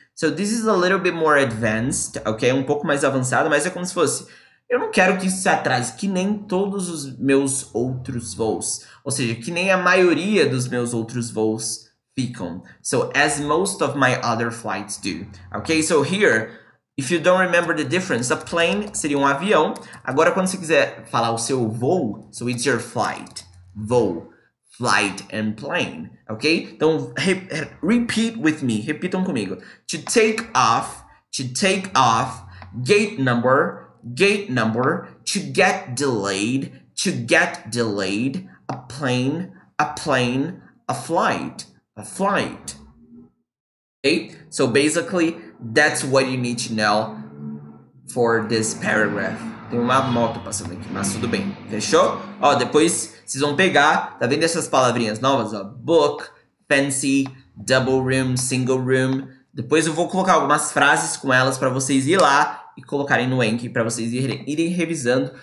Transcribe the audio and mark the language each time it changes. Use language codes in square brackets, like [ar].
[en] So, this is a little bit more advanced, ok? [pt] Um pouco mais avançado, mas é como se fosse... Eu não quero que isso se atrase, que nem todos os meus outros voos. Ou seja, que nem a maioria dos meus outros voos ficam. [en] So, as most of my other flights do. Ok, so here, if you don't remember the difference, [pt] a plane seria um avião. Agora, quando você quiser falar o seu voo, [en] so it's your flight. [pt] Voo. [en] Flight and plane. Ok? Então, repeat with me. [pt] Repitam comigo. [en] To take off, gate number... Gate number, to get delayed, a plane, a flight, okay? So basically, that's what you need to know for this paragraph. [pt] Tem uma moto passando aqui, mas tudo bem, fechou? Ó, depois vocês vão pegar, tá vendo essas palavrinhas novas, ó? [en] Book, fancy, double room, single room. [pt] Depois eu vou colocar algumas frases com elas pra vocês ir lá e colocarem no Anki pra vocês irem revisando.